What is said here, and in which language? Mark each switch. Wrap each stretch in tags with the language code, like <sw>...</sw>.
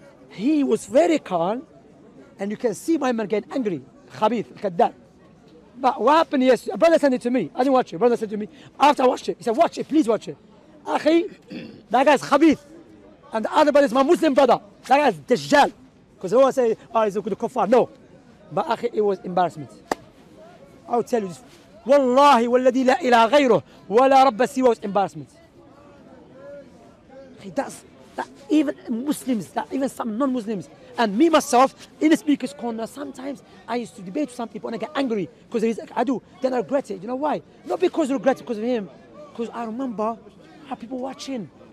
<en>He was very calm, and you can see my man getting angry. Khabith, Kaddar. But what happened yesterday? A brother sent it to me. I didn't watch it. Brother said to me, after I watched it, he said, watch it, please watch it. Akhi, that guy's Khabith. And the other brother is my Muslim brother. That guy's Dajjal. Because they all say, oh, he's a good kuffar. No. But akhi, it was embarrassment. I'll tell you this.</en> <ar>والله والذي لا إله غيره ولا رب سوى</ar> <en>was embarrassment. That even Muslims, that even some non-Muslims, and me myself, in the speaker's corner, sometimes I used to debate with some people and I get angry because he's like, I do. Then I regret it. You know why? Not because I regret it because of him. Because I remember how people watching.</en>